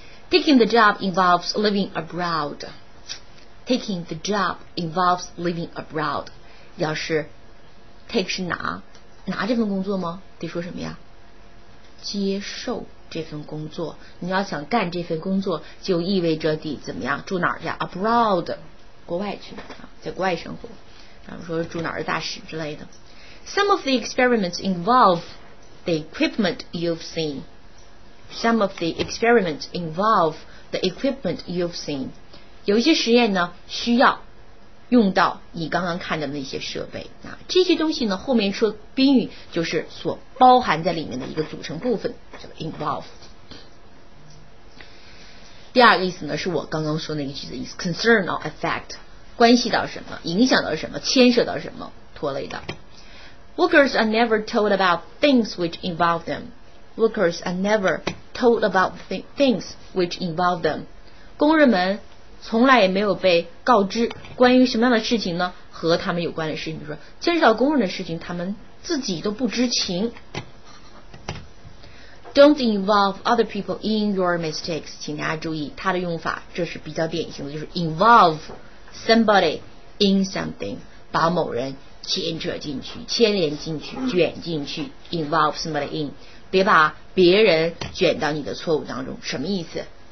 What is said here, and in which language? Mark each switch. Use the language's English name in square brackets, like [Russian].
[English] taking the job involves living abroad， taking the job involves living abroad， [Chinese] 要是 take 是拿这份工作吗，得说什么呀，接受这份工作。你要想干这份工作，就意味着得怎么样？住哪儿去 ？Abroad， 国外去啊，在国外生活。然后说住哪儿的大使之类的。 [English] Some of the experiments involve the equipment you've seen. Some of the experiments involve the equipment you've seen. [Chinese] 有一些实验呢，需要用到你刚刚看到的那些设备啊，这些东西呢，后面说宾语就是所包含在里面的一个组成部分，叫 involve。第二个意思呢，是我刚刚说那个句子意思 ， [English] concern or effect， [Chinese] 关系到什么，影响到什么，牵涉到什么，拖累的。 [English] Workers are never told about things which involve them. Workers are never told about things which involve them. [Chinese] 工人们从来也没有被告知关于什么样的事情呢？和他们有关的事情，比如说牵涉到工人的事情，他们自己都不知情。 [English] Don't involve other people in your mistakes. [Chinese] 请大家注意它的用法，这是比较典型的，就是 involve somebody in something， 把某人牵扯进去，牵连进去，卷进去， involve somebody in， 别把别人卷到你的错误当中。什么意思？